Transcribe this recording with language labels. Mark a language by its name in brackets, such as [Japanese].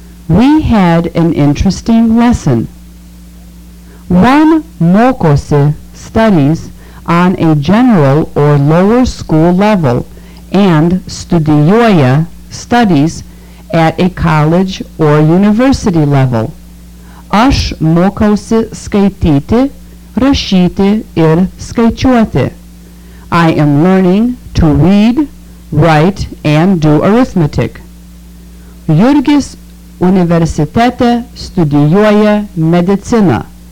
[English] We had an interesting lesson. One mokosi studies on a general or lower school level and studijuoja studies at a college or university level. [Lithuanian] Aš mokausi skaityti, rašyti ir skaičiuoti. [English] I am learning to read, write, and do arithmetic. [Lithuanian] Jurgis universitete studijuoja mediciną.